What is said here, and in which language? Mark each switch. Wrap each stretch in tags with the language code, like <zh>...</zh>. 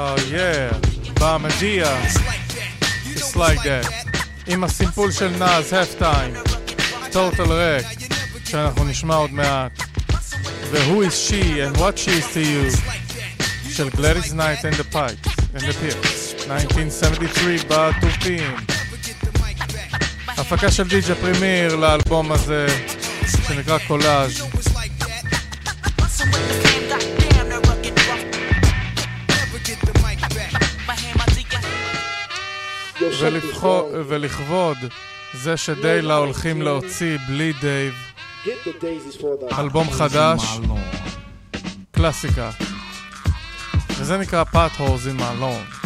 <en>Yeah, Bahamadia, just like that.</en> <he>עם הסימפול של נאז, Halftime, Total Rec, שאנחנו נשמע עוד מעט. Who is she and what she is to you, של Gladys Knight and the Pipes, and the Pierce, 1973, בתופים. הפקה של DJ Premier לאלבום הזה, שנקרא קולאז'. ולכבוד זה שדיילה הולכים להוציא בלי דייב אלבום חדש, קלאסיקה, וזה נקרא Pot Holes in My Lawn.</he>